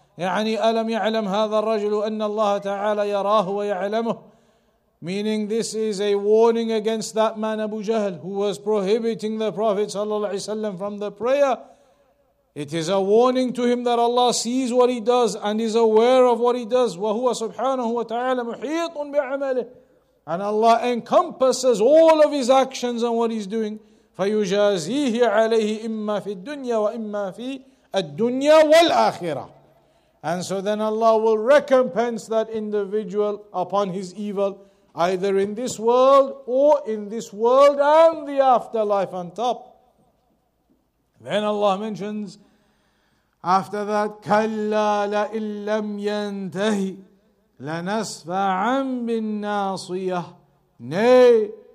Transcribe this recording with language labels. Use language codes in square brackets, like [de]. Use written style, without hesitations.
[ar] يعني ألم يعلم هذا الرجل أن الله تعالى يراه ويعلمه. [en] Meaning this is a warning against that man Abu Jahl who was prohibiting the Prophet صلى الله عليه وسلم from the prayer. It is a warning to him that Allah sees what he does and is aware of what he does. [ar] وهو سبحانه وتعالى محيط بعمله. [en] And Allah encompasses all of his actions and what he's doing. [ar] فيجازيه عليه إما في الدنيا وإما في الدنيا والآخرة. [en] And so then Allah will recompense that individual upon his evil, either in this world or in this world and the afterlife on top. Then Allah mentions, after that, [ar] كَلَّا لَإِنْ لَمْ يَنْتَهِ لَنَسْفَعًا بِالنَّاصِيَةِ. [en] Nay,